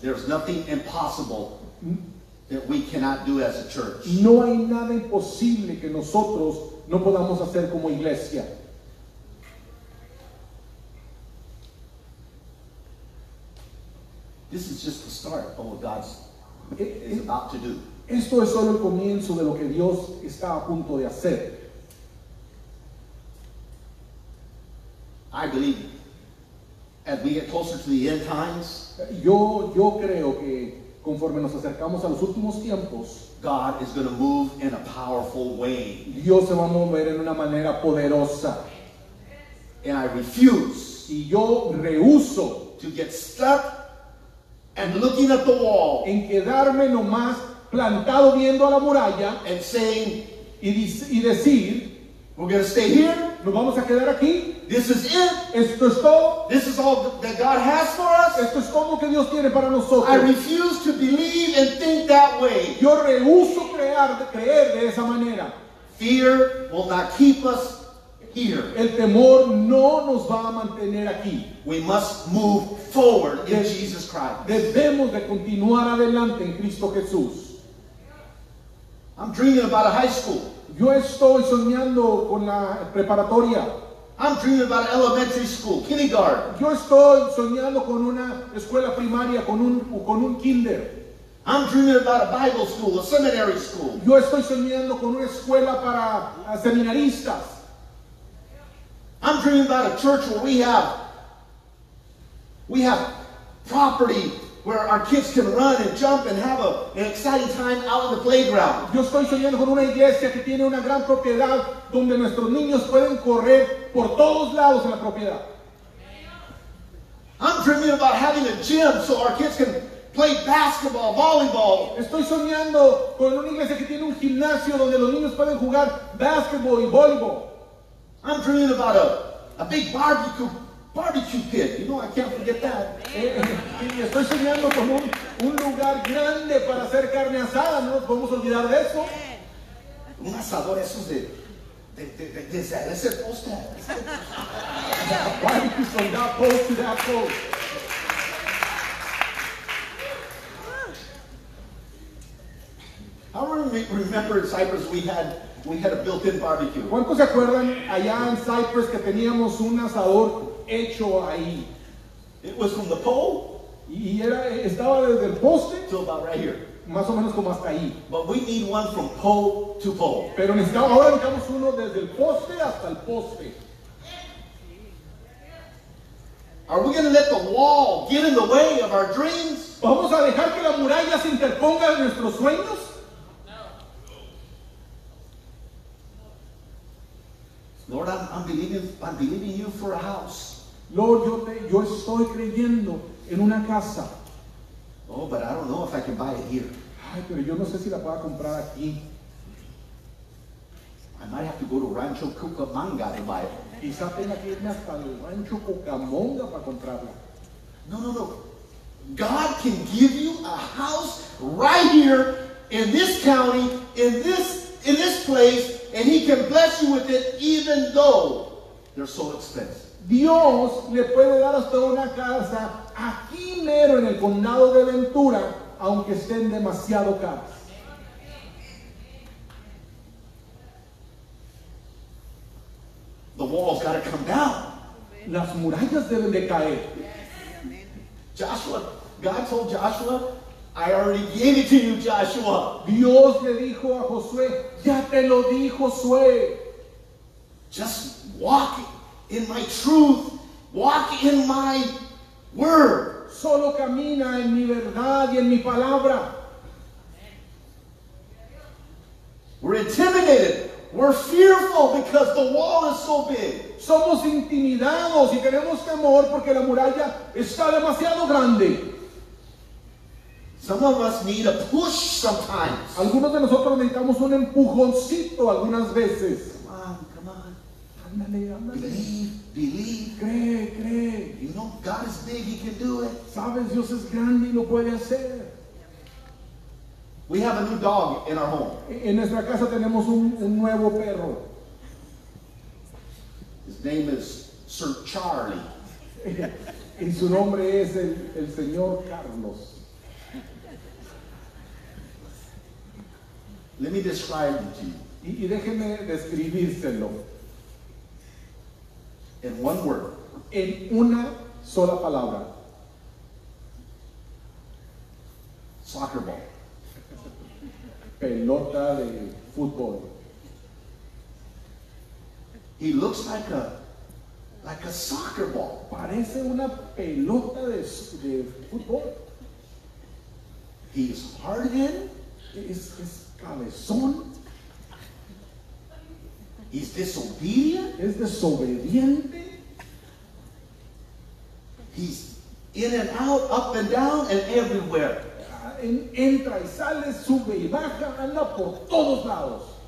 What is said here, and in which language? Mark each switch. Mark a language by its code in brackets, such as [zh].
[en] There's nothing impossible that we cannot do as a church. [es] No hay nada imposible que nosotros no podamos hacer como iglesia. [en] This is just the start of what God is about to do. [es] Esto es solo el comienzo de lo que Dios está a punto de hacer. [en] I believe as we get closer to the end times, [es] yo creo que conforme nos acercamos a los últimos tiempos, [en] God is going to move in a powerful way. [es] Dios se va a mover en una manera poderosa. [en] And I refuse, [es] y yo rehúso, [en] to get stuck and looking at the wall, [es] en quedarme nomás plantado viendo a la muralla, [en] and saying, [es] y decir, [en] we're going to stay here. [es] Nos vamos a quedar aquí. [en] This is it. [es] Esto es todo. [en] This is all that God has for us. [es] Esto es todo lo que Dios tiene para nosotros. [en] I refuse to believe and think that way. [es] Yo rehúso creer de esa manera. [en] Fear will not keep us here. [es] El temor no nos va a mantener aquí. [en] We must move forward in Jesus Christ. [es] Debemos de continuar adelante en Cristo Jesús. [en] I'm dreaming about a high school. [es] Yo estoy soñando con la preparatoria. [en] I'm dreaming about elementary school, kindergarten. [es] Yo estoy soñando con una escuela primaria, con un kinder. [en] I'm dreaming about a Bible school, a seminary school. [es] Yo estoy soñando con una escuela para seminaristas. [en] I'm dreaming about a church where we have property where our kids can run and jump and have an exciting time out on the playground. [es] Yo estoy soñando con una iglesia que tiene una gran propiedad donde nuestros niños pueden correr por todos lados en la propiedad. [en] I'm dreaming about having a gym so our kids can play basketball, volleyball. [es] Estoy soñando con una iglesia que tiene un gimnasio donde los niños pueden jugar basketball y voleibol. [en] I'm dreaming about a big barbecue pit. You know, I can't forget that. [es] Estoy soñando con un lugar grande para hacer carne asada. No nos podemos olvidar de eso. Un asador esos de ser ese poste. [en] Why you from that pole to that pole? How do we remember in Cyprus we had a built-in barbecue? [es] ¿Cuántos se acuerdan allá en Cyprus que teníamos un asador hecho ahí? [en] It was from the pole. [es] Y era, estaba desde el poste. [en] To about right here. [es] Más o menos como hasta ahí. [en] But we need one from pole to pole. [es] Pero necesitamos, ahora necesitamos uno desde el poste hasta el poste. [en] Are we going to let the wall get in the way of our dreams? [es] ¿Vamos a dejar que la muralla se interponga en nuestros sueños? [en] Lord, I'm believing you for a house. [es] Lord, yo estoy creyendo en una casa. [en] Oh, but I don't know if I can buy it here. [es] Ay, pero yo no sé si la pueda comprar aquí. [en] I might have to go to Rancho Cucamonga to buy it. [es] Quizá tenga que irme hasta el Rancho Cucamonga para comprarla. [en] No. God can give you a house right here in this county, in this place, and he can bless you with it even though they're so expensive. [es] Dios le puede dar a usted una casa aquí mero en el condado de Ventura, aunque estén demasiado caras. [en] The walls gotta come down. [es] Las murallas deben de caer. [en] Joshua, God told Joshua, I already gave it to you, Joshua. [es] Dios le dijo a Josué, ya te lo di, Josué. [en] Just walk in my truth. Walk in my word. [es] Solo camina en mi verdad y en mi palabra. [en] We're intimidated. We're fearful because the wall is so big. [es] Somos intimidados y tenemos temor porque la muralla está demasiado grande. [en] Some of us need a push sometimes. [es] Algunos de nosotros necesitamos un empujoncito algunas veces. [en] Come on. [es] Ándale. [en] Believe. [es] Cree. [en] You know, God is big, he can do it. [es] Sabes, Dios es grande y lo puede hacer. [en] We have a new dog in our home. [es] En nuestra casa tenemos un nuevo perro. [en] His name is Sir Charlie. [es] Y su nombre es el señor Carlos. [en] Let me describe it to you. [es] Y déjeme describírselo. [en] In one word. [es] En una sola palabra. [en] Soccer ball. [es] Pelota de fútbol. [en] He looks like a soccer ball. [es] Parece una pelota de fútbol. [en] He is hardened. [es] Es cabezón. [en] Is disobedient. [es] Es desobediente. [en] He's in and out, up and down, and everywhere. [es] Entra y sale, sube y baja, anda por todos lados.